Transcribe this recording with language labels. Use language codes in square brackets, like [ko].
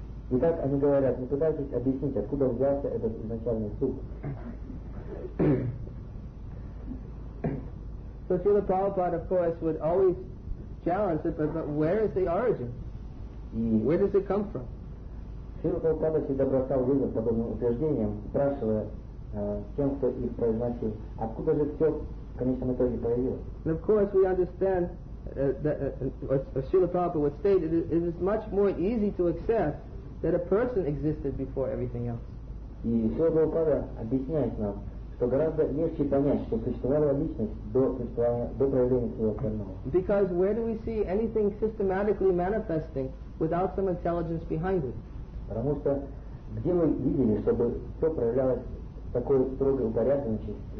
[ru] Итак, они говорят, не пытайтесь объяснить, откуда взялся этот изначальный суп. [en] So Srila Prabhupada, of course, would always challenge it, but where is the origin? Where does it come from? [ru] Srila Prabhupada всегда бросал вызов подобным утверждениям, спрашивая тем, кто их произносил, откуда же все в конечном итоге появилось. [en] And of course we understand that Srila Prabhupada would state it is much more easy to accept that a person existed before everything else. [ru] И Srila Prabhupada объясняет нам, что гораздо легче понять, что существовала личность до проявления всего остального. [en] Because where do we see anything systematically manifesting without some intelligence behind it? [ru] Потому что где мы видели, чтобы все проявлялось такой строгой упорядоченностью?